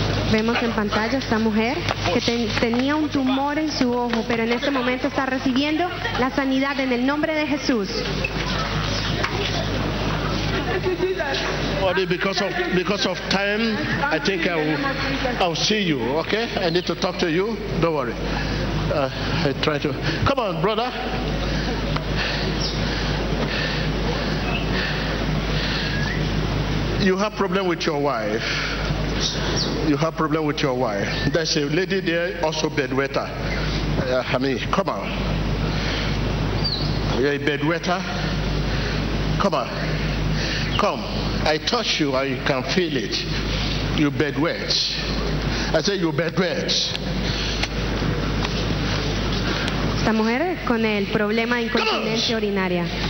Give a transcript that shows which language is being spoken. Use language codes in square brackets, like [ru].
[es] Vemos en pantalla esta mujer que tenía un tumor en su ojo, pero en este momento está recibiendo la sanidad en el nombre de Jesús. [en] Because of time, I think I'll see you. Okay, I need to talk to you. Don't worry. I try to. Come on, brother. You have problem with your wife. You have problem with your wife. There's a lady there, also bedwetter. Come on. You're a bedwetter. Come on. Come. I touch you and you can feel it. You bedwet. I say you bedwet. [es] Esta mujer con el problema de incontinencia urinaria.